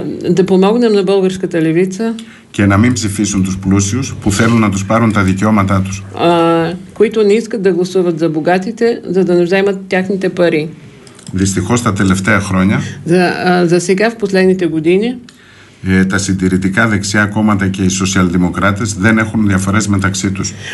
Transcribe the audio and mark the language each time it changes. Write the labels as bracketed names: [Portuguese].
[Bulgarian] Да помогнем на българската левица. [Greek] Και να μην ψηφίσουν τους πλούσιους που θέλουν να τους πάρουν τα δικαιώματά τους. [Bulgarian] Които не искат да гласуват за богатите, за да не вземат тяхните пари. [Greek] Δυστυχώς τα τελευταία χρόνια. [Bulgarian] За сега в последните години. [Greek] Τα συντηρητικά δεξιά κόμματα και οι σοσιαλδημοκράτες δεν έχουν διαφορές μεταξύ τους.